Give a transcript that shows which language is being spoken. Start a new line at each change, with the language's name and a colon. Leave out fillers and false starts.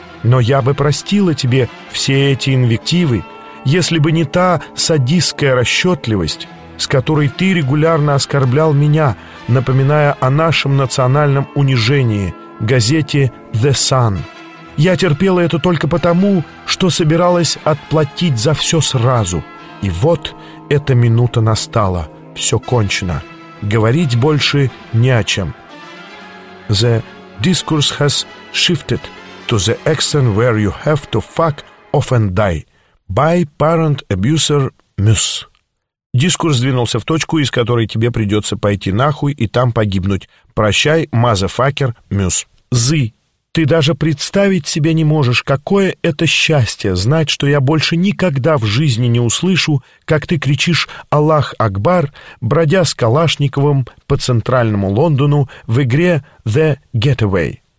Russian: Но я бы простила тебе все эти инвективы, если бы не та садистская расчетливость, с которой ты регулярно оскорблял меня, напоминая о нашем национальном унижении – газете «The Sun». Я терпела это только потому, что собиралась отплатить за все сразу. И вот эта минута настала. Все кончено. Говорить больше не о чем.
English: The discourse has shifted to the extent where you have to fuck off and die. By parent abuser Muse.
Russian: Дискурс двинулся в точку, из которой тебе придется пойти нахуй и там погибнуть. Прощай, мазафакер Мюс. Зы. Ты даже представить себе не можешь, какое это счастье знать, что я больше никогда в жизни не услышу, как ты кричишь «Аллах Акбар», бродя с Калашниковым по центральному Лондону в игре «The Getaway».